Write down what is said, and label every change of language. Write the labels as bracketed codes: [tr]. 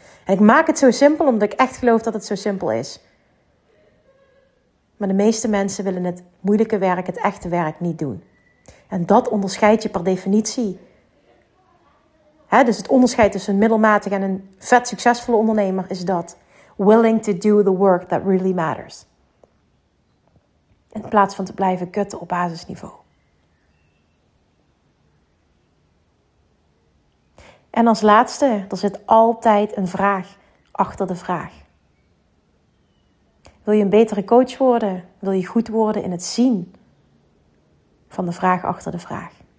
[nl] En ik maak het zo simpel omdat ik echt geloof dat het zo simpel is. Maar de meeste mensen willen het moeilijke werk, het echte werk, niet doen. En dat onderscheid je per definitie. Dus het onderscheid tussen een middelmatig en een vet succesvolle ondernemer is dat. [en] Willing to do the work that really matters. [nl] In plaats van te blijven kutten op basisniveau. En als laatste, er zit altijd een vraag achter de vraag. Wil je een betere coach worden? Wil je goed worden in het zien van de vraag achter de vraag?